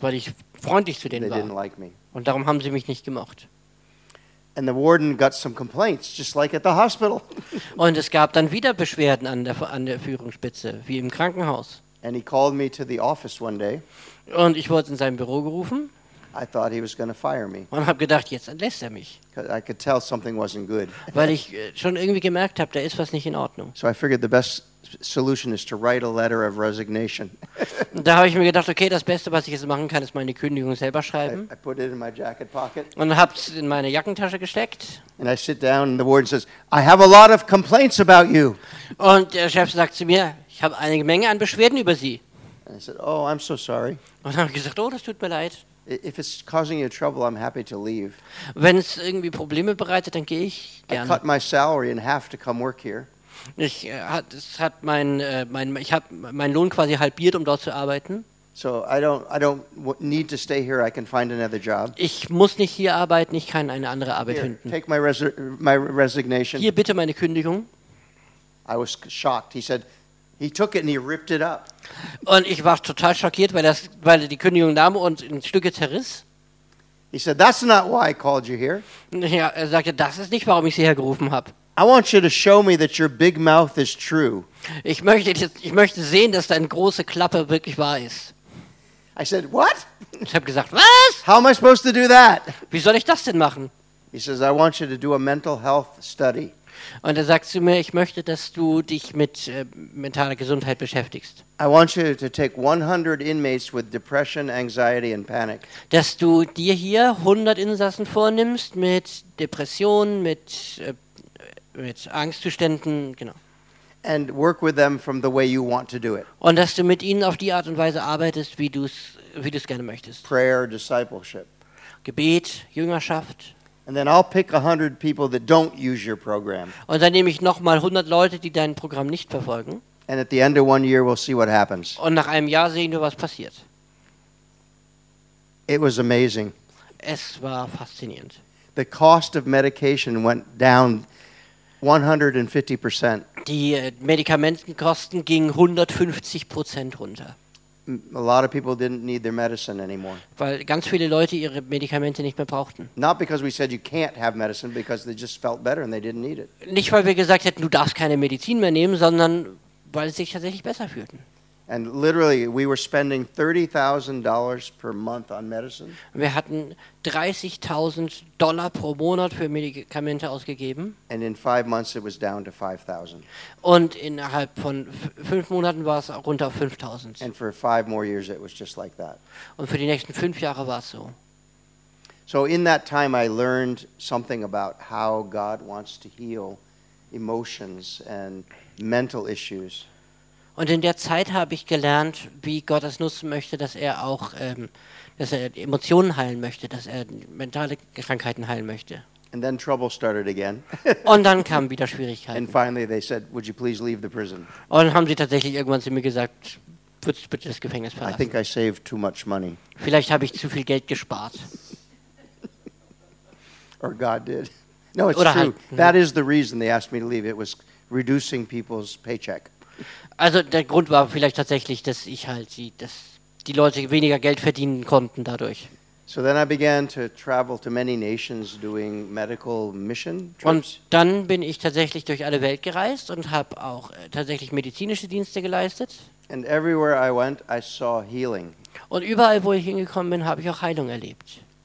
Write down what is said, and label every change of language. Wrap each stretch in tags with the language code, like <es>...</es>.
<de>Weil ich freundlich zu denen war.</de> <en>Didn't like me.</en> <de>Und darum haben sie mich nicht gemocht.</de> <en>And the warden got some complaints, just like at the hospital.</en> <de>Und es gab dann wieder Beschwerden an der Führungsspitze, wie im Krankenhaus.</de> <en>And he called me to the office one day.</en> <de>Und ich wurde in sein Büro gerufen.</de> <en>I thought he was going to fire me.</en> <de>Und habe gedacht, jetzt entlässt er mich.</de> <en>I could tell something wasn't good.</en> <de>Weil ich schon irgendwie gemerkt habe, da ist was nicht in Ordnung.</de> <en>So I figured the best solution is to write a letter of resignation.</en> <de>Da habe ich mir gedacht, okay, das Beste, was ich jetzt machen kann, ist meine Kündigung selber schreiben.</de> <en>I put it in my jacket pocket.</en> <de>Und habe es in meine Jackentasche gesteckt.</de> <en>And I sit down and the warden says, "I have a lot of complaints about you."</en> <de>Und der Chef sagt zu mir, ich habe eine Menge an Beschwerden über Sie.</de> <en>And I said, "Oh, I'm so sorry."</en> <de>Und habe gesagt, oh, das tut mir leid.</de> <en>If it's causing you trouble, I'm happy to leave.</en> <de>Wenn es irgendwie Probleme bereitet, dann gehe ich gerne.</de> <en>I cut my salary in half to come work here.</en> <de>Ich habe meinen Lohn quasi halbiert, um dort zu arbeiten.</de> <en>So I don't need to stay here. I can find another job.</en> <de>Ich muss nicht hier arbeiten. Ich kann eine andere Arbeit</de> <en>here,</en> <de>finden.</de> <en>Take my resignation.</en> <de>Hier bitte meine Kündigung.</de> <en>I was shocked. He said. He took it and he ripped it up.</en> <de>Und ich war total schockiert, weil er die Kündigung nahm und in Stücke zerriss.</de> <en>He said, "That's not why I called you here."</en> <de>Ja, er sagte, das ist nicht, warum ich Sie hergerufen habe.</de> <en>"I want you to show me that your big mouth is true."</en> <de>Ich möchte sehen, dass deine große Klappe wirklich wahr ist.</de> <en>I said, "What?"</en> <de>Ich habe gesagt, was?</de> <en>"How am I supposed to do that?"</en> <de>Wie soll ich das denn machen?</de> <en>He says, "I want you to do a mental health study."</en> <de>Und er sagt zu mir, ich möchte, dass du dich mit mentaler Gesundheit beschäftigst.</de> <en>I want you to take 100 inmates with depression, anxiety and panic.</en> <de>Dass du dir hier 100 Insassen vornimmst mit Depressionen, mit Angstzuständen, genau.</de> <en>And work with them from the way you want to do it.</en> <de>Und dass du mit ihnen auf die Art und Weise arbeitest, wie du es gerne möchtest.</de> <en>Prayer, discipleship.</en> <de>Gebet, Jüngerschaft.</de> <en>And then I'll pick 100 people that don't use your program.</en> <de>Und dann nehme ich noch mal 100 Leute, die dein Programm nicht verfolgen.</de> <en>And at the end of one year we'll see what happens.</en> <de>Und nach einem Jahr sehen wir, was passiert.</de> <en>It was amazing.</en> <de>Es war faszinierend.</de> <en>The cost of medication went down 150%.</en> <de>Die Medikamentenkosten gingen 150% runter.</de> <en>A lot of people didn't need their medicine anymore.</en> <de>Weil ganz viele Leute ihre Medikamente nicht mehr brauchten.</de> <en>Not because we said you can't have medicine, because they just felt better and they didn't need it.</en> <de>Nicht weil wir gesagt hätten, du darfst keine Medizin mehr nehmen, sondern weil sie sich tatsächlich besser fühlten.</de> <en>And literally, we were spending $30,000 per month on medicine.</en> <de>Wir hatten $30,000 pro Monat für Medikamente ausgegeben.</de> <en>And in 5 months, it was down to $5,000.</en> <de>Und innerhalb von 5 Monaten war es runter auf 5.000.</de> <en>And for 5 more years, it was just like that.</en> <de>Und für die nächsten 5 Jahre war es so.</de> <en>So in that time, I learned something about how God wants to heal emotions and mental issues.</en> <de>Und in der Zeit habe ich gelernt, wie Gott es nutzen möchte, dass er auch dass er Emotionen heilen möchte, dass er mentale Krankheiten heilen möchte.</de> <en>And then trouble started again.</en> <de>Und dann kamen wieder Schwierigkeiten.</de> <en>And finally they said, would you please leave the prison?</en> <de>Und dann haben sie tatsächlich irgendwann zu mir gesagt, würdest du bitte das Gefängnis verlassen?</de> <en>I think I saved too much money.</en> <de>Vielleicht habe ich zu viel Geld gespart.</de> <en>Or God did. No, it's true. That is the reason they asked me to leave. It was reducing people's paycheck.</en> <de>Also der Grund war vielleicht tatsächlich, dass ich halt dass die Leute weniger Geld verdienen konnten dadurch.</de> <en>So then I began to travel to many nations doing medical mission trips.</en> <de>Und dann bin ich tatsächlich durch alle Welt gereist und habe auch tatsächlich medizinische Dienste geleistet.</de> <en>And everywhere I went, I saw healing.</en> <de>Und überall, wo ich hingekommen bin, habe ich auch Heilung erlebt.</de>